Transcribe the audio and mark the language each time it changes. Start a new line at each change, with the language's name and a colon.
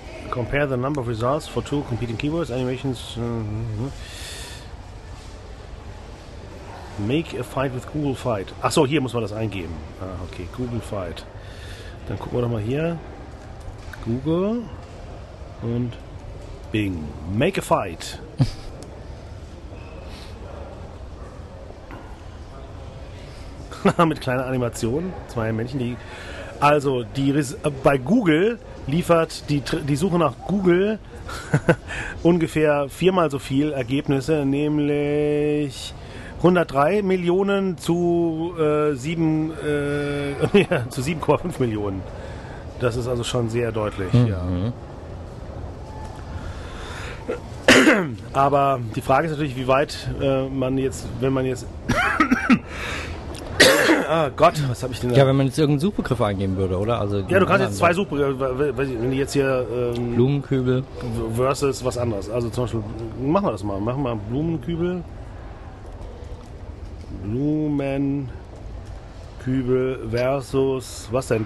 English: Compare the number of results for two competing keywords, animations. Make a fight with Google Fight.
German: Achso, hier muss man das eingeben. Ah, okay, Google Fight. Dann gucken wir doch mal hier. Google und Bing.
English: Make a fight.
German: Mit kleiner Animation, zwei Männchen, die. Also, die bei Google liefert die Suche nach Google ungefähr viermal so viel Ergebnisse, nämlich 103 Millionen zu 7,5 Millionen. Das ist also schon sehr deutlich. Mhm. Ja. Aber die Frage ist natürlich, wie weit man jetzt, wenn man jetzt. Ah Gott, was habe ich denn da? Ja, wenn man jetzt irgendeinen Suchbegriff eingeben würde, oder? Also ja, du kannst jetzt zwei Suchbegriffe, wenn ich jetzt hier... Blumenkübel. Versus was anderes. Also zum Beispiel, machen wir das mal. Machen wir Blumenkübel. Blumenkübel versus, was denn?